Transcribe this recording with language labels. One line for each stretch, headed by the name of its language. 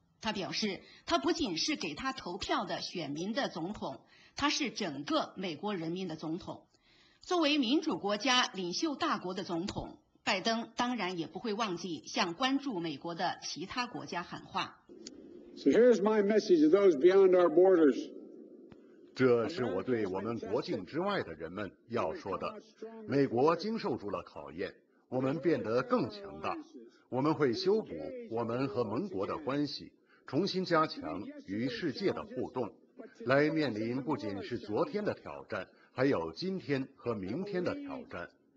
Chinese: 他表示，他不仅是给他投票的选民的总统，他是整个美国人民的总统。作为民主国家领袖大国的总统，拜登当然也不会忘记向关注美国的其他国家喊话。
English: So here's my message to those beyond our borders.
Chinese: 这是我对我们国境之外的人们要说的。美国经受住了考验，我们变得更强大。我们会修补我们和盟国的关系，重新加强与世界的互动，来面临不仅是昨天的挑战，还有今天和明天的挑战。